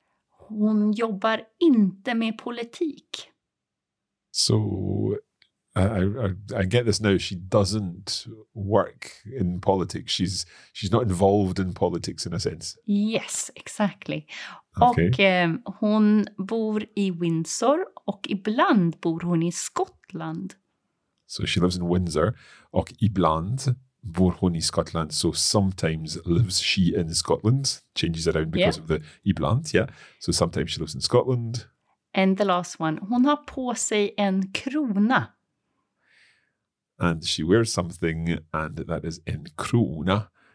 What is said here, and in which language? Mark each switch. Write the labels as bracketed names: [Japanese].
[Swedish] Hon jobbar inte med politik. [English] So, I get this now. She doesn't work in politics. She's not involved in politics in a sense. Yes, exactly. Okay. [Swedish] Och hon bor i Windsor och ibland bor hon i Skottland. [English] So she lives in [Swedish] Windsor och ibland bor hon i Skottland. [English] So sometimes lives she in Scotland. Changes around because of the ibland, yeah. So sometimes she lives in Scotland. And the last one. [Swedish] Hon har på sig en krona. [English] And she wears something and that is [Swedish] en krona.